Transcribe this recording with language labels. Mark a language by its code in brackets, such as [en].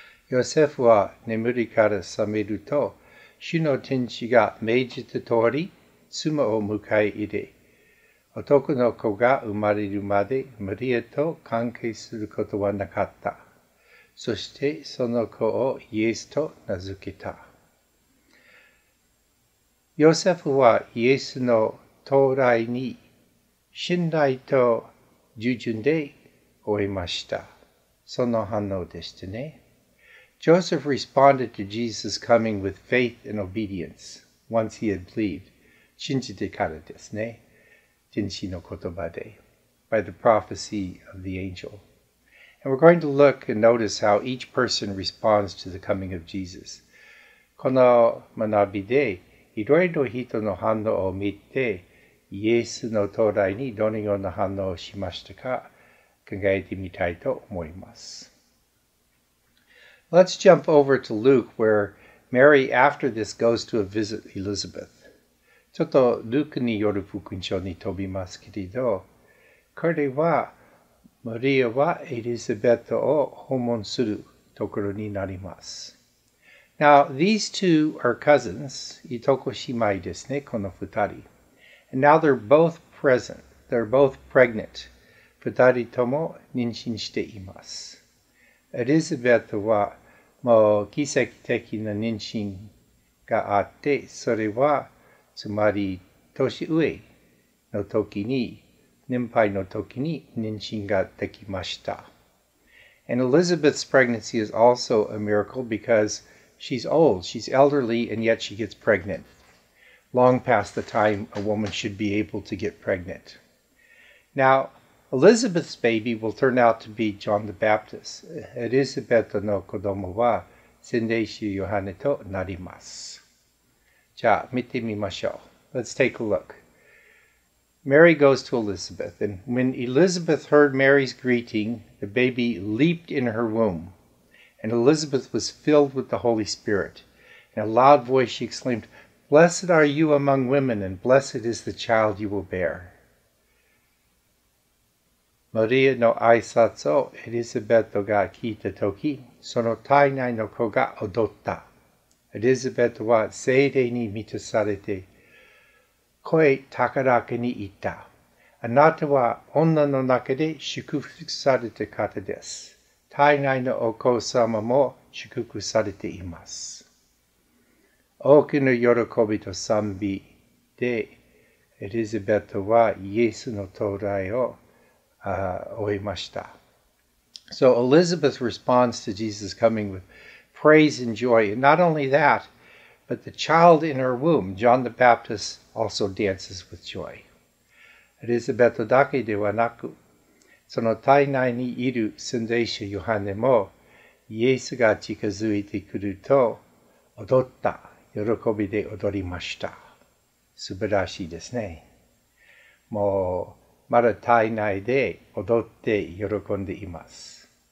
[ja] ヨセフは眠りから覚めると、主の天使が命じた通り、妻を迎え入れ、男の子が生まれるまでマリアと関係することはなかった。そしてその子をイエスと名付けた。ヨセフはイエスの到来に信頼と従順で終えました。その反応でしたね。 [en] Joseph responded to Jesus' coming with faith and obedience once he had believed. [ja] 信じてからですね。天使の言葉で。 [en] By the prophecy of the angel. And we're going to look and notice how each person responds to the coming of Jesus. [ja] この学びで、いろいろ人の反応を見て、イエスの到来にどのような反応をしましたか、考えてみたいと思います。 [en] Let's jump over to Luke, where Mary, after this, goes to visit Elizabeth. [ja] ちょっとルークによる福音書に飛びますけれど、これは、マリアはエリザベトを訪問するところになります。 [en] Now, these two are cousins, [ja] いとこ姉妹ですね、この二人。 [en] And now they're both present, they're both pregnant. [ja] 二人とも妊娠しています。エリザベトはもう奇跡的な妊娠があって、それはつまり年上の時に、年配の時に妊娠ができました。 [en] And Elizabeth's pregnancy is also a miracle because she's old, she's elderly, and yet she gets pregnant. Long past the time a woman should be able to get pregnant. Now,Elizabeth's baby will turn out to be John the Baptist. [ja] Elizabeth の子供は洗礼師ヨハネとなります。じゃあ見てみましょう。 [en] Let's take a look. Mary goes to Elizabeth, and when Elizabeth heard Mary's greeting, the baby leaped in her womb, and Elizabeth was filled with the Holy Spirit. In a loud voice she exclaimed, Blessed are you among women, and blessed is the child you will bear. [ja] マリアの挨拶をエリザベトが聞いたとき、その体内の子が踊った。エリザベトは聖霊に満たされて、声高らかに言った。あなたは女の中で祝福された方です。体内のお子様も祝福されています。大きな喜びと賛美で、エリザベトはイエスの到来を終えました。 [en] So Elizabeth responds to Jesus' coming with praise and joy. And not only that, but the child in her womb, John the Baptist, also dances with joy. [ja] エリザベトだけではなく、その体内にいる洗礼者ヨハネも、イエスが近づいてくると、踊った、喜びで踊りました。素晴らしいですね。もう、まだ体内で踊って喜んでいます。